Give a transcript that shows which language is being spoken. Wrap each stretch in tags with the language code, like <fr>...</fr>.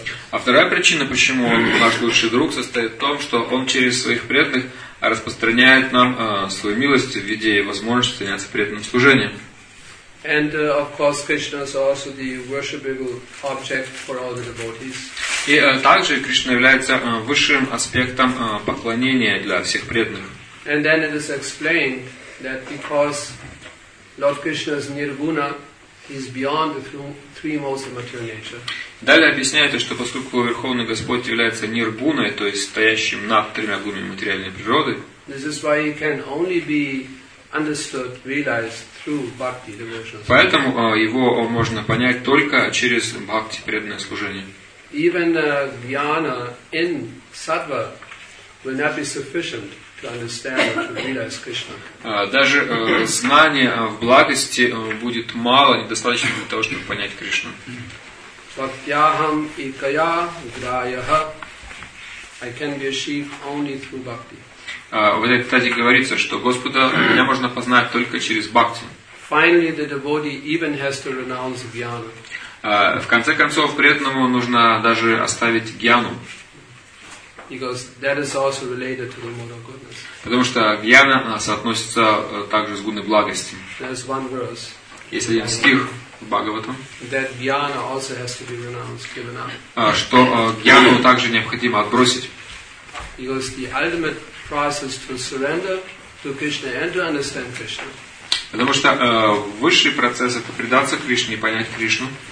<ru>А вторая причина, почему он наш лучший друг, состоит в том, что он через своих преданных распространяет нам свою милость в виде возможности заняться преданным служением.</ru> <en>And of course, Krishna is also the worshipable object for all the devotees.</en> <ru>И также Кришна является высшим аспектом поклонения для всех преданных.</ru> <en>And then it is explained that because Lord Krishna is nirguna, he is beyond the three modes of material nature.</en> <ru>Далее объясняется, что поскольку Верховный Господь является нирбуной, то есть стоящим над тремя гунами материальной природы.</ru> <en>This is why he can only be understood, realized.</en> <ru>Поэтому его можно понять только через бхакти, преданное служение.</ru> <en>Even jnana in sattva will not be sufficient to understand or to realize Krishna.</en> <ru>Даже знание в благости будет мало, недостаточно для того, чтобы понять Кришну.</ru> <sa>Bhaktyaham ikaya grayaha,</sa> <en>I can be achieved only through bhakti.</en> <ru>В этой тезисе говорится, что Господа меня можно познать только через бхакти.</ru> <en>Finally, the devotee even has to renounce jnana.</en> <ru>В конце концов, преданному нужно даже оставить гьяну.</ru> <en>Because that is also related to the mode of goodness.</en> <ru>Потому что гьяна соотносится также с гуной благости.</ru> <en>There's one verse.</en> <ru>Есть один стих в Бхагаватам.</ru> <en>That jnana also has to be renounced, given up.</en> <ru>Что гьяну также необходимо отбросить.</ru> <en>Because the ultimate process to surrender to Krishna and to understand Krishna.</en> <ru>Потому что высший процесс — это предаться Кришне и понять Кришну.</ru>